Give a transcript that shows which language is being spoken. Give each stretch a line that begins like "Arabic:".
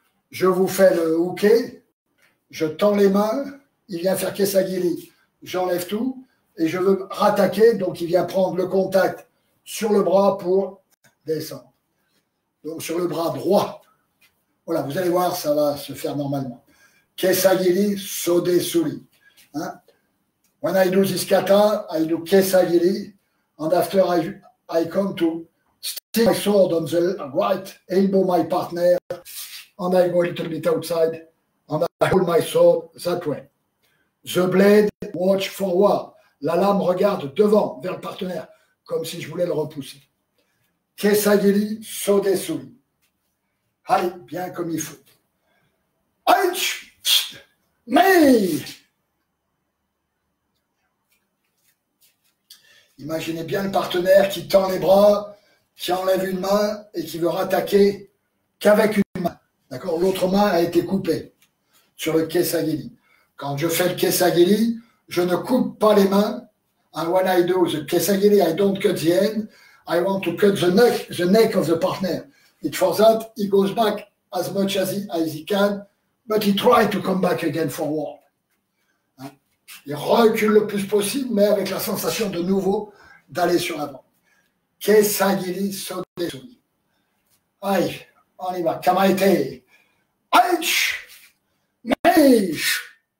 French: Je vous fais le hooké, je tends les mains, il vient faire Kesagiri, j'enlève tout et je veux rattaquer, donc il vient prendre le contact sur le bras pour descendre. Donc sur le bras droit. Voilà, vous allez voir, ça va se faire normalement. Kesagiri, Sodesuri. Hein?
English: When I do this kata, I do Kesagiri, and after I come to stick my sword on the right, elbow my partner, and I go a little bit outside, and I hold my sword that way. The blade watch forward.
French: La lame regarde devant, vers le partenaire, comme si je voulais le repousser. Kesagiri, Sodesuri. Allez, bien comme il faut. Aïch! Mais! Imaginez bien le partenaire qui tend les bras, qui enlève une main et qui veut rattaquer qu'avec une main. D'accord ? L'autre main a été coupée sur le Kesagiri. Quand je fais le Kesagiri, je ne coupe pas les mains.
English: And when I do the Kesagiri, I don't cut the end. I want to cut the neck of the partner. It for that, he goes back as much as he can, but he tried to come back again forward.
French: Il recule le plus possible, mais avec la sensation de nouveau d'aller sur l'avant. Que sanguini sont des souris. Aïe, on y va. Kamaite. Aïch. Meish.